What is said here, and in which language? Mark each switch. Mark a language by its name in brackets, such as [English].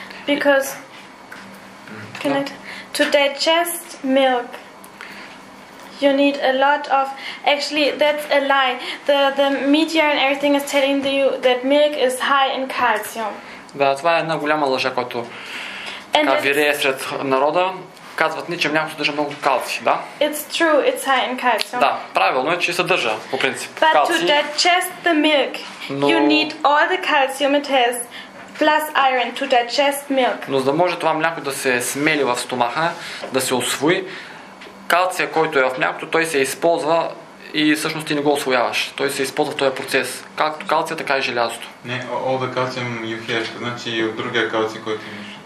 [English] Because to digest milk you need a lot of actually that's a lie. The media and everything is telling you that milk is high in calcium. [Bulgarian] Да, това е една голяма лъжа, която вирее сред народа. казват ни, че млякото съдържа много калци, да? [English] It's true, it's high in calcium. [Bulgarian] Да, правилно е, че съдържа, по принцип, [English] but [Bulgarian] калци. [English] But to digest the milk, [Bulgarian] но... [English] you need all the calcium it has, plus iron to digest milk. [Bulgarian] Но за да може това мляко да се смели в стомаха, да се освои, калция, който е в млякото, той се използва и всъщност ти не го освояваш. Той се използва в този процес. Както калция, така и желязото. Не, [English] all the calcium you have, [Bulgarian] значи и от другия калци, който имаш.